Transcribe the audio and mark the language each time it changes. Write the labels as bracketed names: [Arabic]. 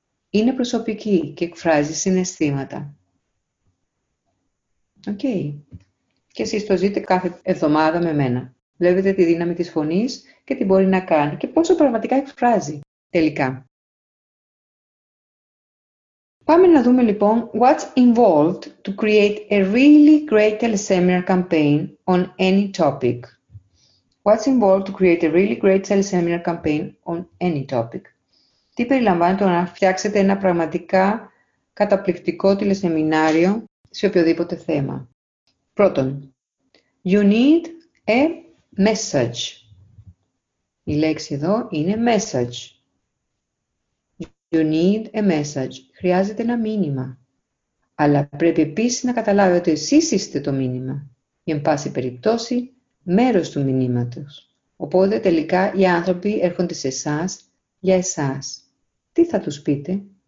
[Greek] Είναι προσωπική και εκφράζει συναισθήματα. Okay. Και εσείς το ζείτε κάθε εβδομάδα με μένα. Βλέπετε τη δύναμη της φωνής και τι μπορεί να κάνει και πόσο πραγματικά εκφράζει τελικά. [English] Πάμε να δούμε λοιπόν what's involved to create a really great teleseminar campaign on any topic. What's involved to create a really great teleseminar campaign on any topic. [Greek] Τι περιλαμβάνει το να φτιάξετε ένα πραγματικά καταπληκτικό τηλεσεμινάριο σε οποιοδήποτε θέμα. [English] Πρώτον, you need a message. [Greek] Η λέξη εδώ είναι message. You need a message. Χρειάζεται ένα μήνυμα. Αλλά πρέπει επίσης να καταλάβετε ότι εσείς είστε το μήνυμα. Εν πάση περιπτώσει, μέρος του μηνύματος. Οπότε τελικά οι άνθρωποι έρχονται σε εσάς για εσάς. Τι θα τους πείτε?